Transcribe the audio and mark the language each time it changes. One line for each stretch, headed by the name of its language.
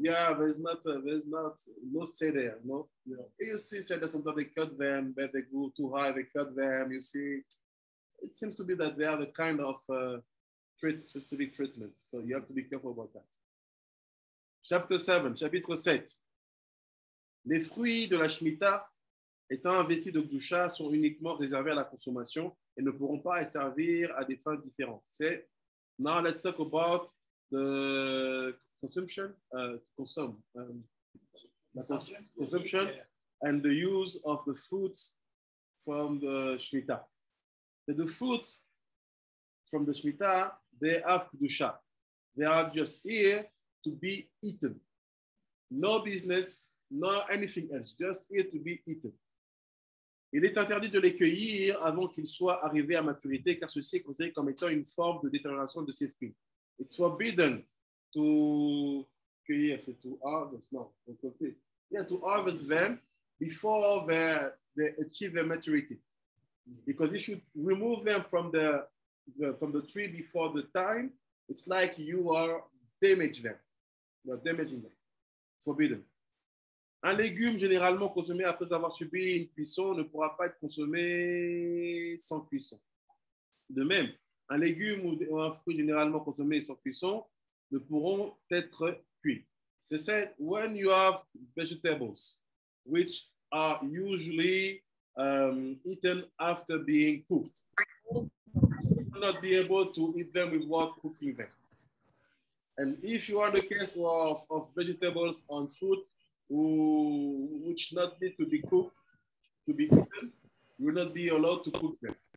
English: Yeah, there's not no stay there. No. Yeah. You see, say that sometimes they cut them, but they grow too high. They cut them. You see. It seems to be that they have a kind of specific treatment. So you have to be careful about that.
French: Chapitre 7. Les fruits de la Shemitah étant investis de Kdusha sont uniquement réservés à la consommation et ne pourront pas servir à des fins différentes.
English: C'est, now let's talk about the consumption, consumption and the use of the fruits from the Shemitah. That the fruits from the Shemitah, they have Kedusha. They are just here to be eaten. No business, no anything else, just here to be eaten.
French: Il est interdit de les cueillir avant qu'ils soient arrivés à maturité, car ceci est considéré comme étant une forme de détérioration de ces fruits.
English: It's forbidden to
French: cueillir, c'est
English: to harvest,
French: non, on peut faire.
English: Yeah, to harvest them before they achieve their maturity. Because if you remove them from the tree before the time, it's like you are damaging them. You are damaging them. It's forbidden.
French: Un légume généralement consommé après avoir subi une cuisson ne pourra pas être consommé sans cuisson. De même, un légume ou un fruit généralement consommé sans cuisson ne pourront être cuits. C'est ça.
English: When you have vegetables, which are usually eaten after being cooked. You will not be able to eat them without cooking them. And if you are the case of vegetables and fruit which not need to be cooked, to be eaten, you will not be allowed to cook them.